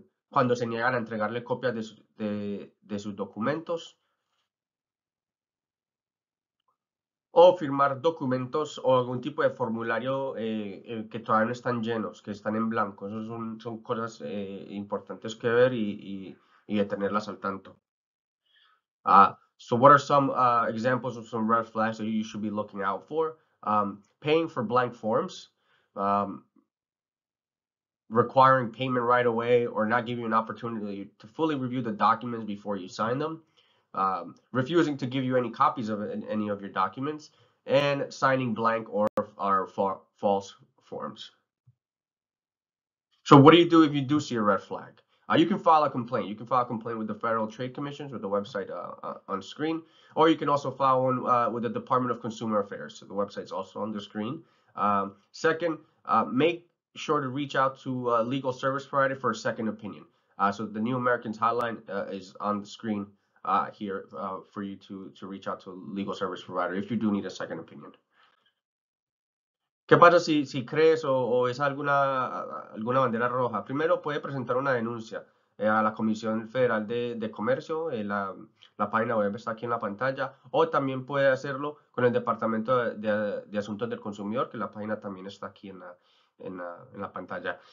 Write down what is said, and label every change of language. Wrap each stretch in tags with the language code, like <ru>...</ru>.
<es>Cuando se niegan a entregarle copias de sus documentos. O firmar documentos o algún tipo de formulario que todavía no están llenos, que están en blanco. Esas son cosas importantes que ver y de tenerlas al tanto.</es> <en>So what are some examples of some red flags that you should be looking out for? paying for blank forms, requiring payment right away, or not giving you an opportunity to fully review the documents before you sign them, refusing to give you any copies of any of your documents, and signing blank or false forms. So what do you do if you do see a red flag? You can file a complaint. You can file a complaint with the Federal Trade Commission with the website on screen, or you can also file one with the Department of Consumer Affairs. So the website's also on the screen. Second, make sure to reach out to a legal service provider for a second opinion. So the New Americans Hotline is on the screen here for you to reach out to a legal service provider if you do need a second opinion.</en> <es>¿Qué pasa si crees o es alguna bandera roja? Primero, puede presentar una denuncia a la Comisión Federal de Comercio. La página web está aquí en la pantalla. O también puede hacerlo con el Departamento de Asuntos del Consumidor, que la página también está aquí en la pantalla.</es>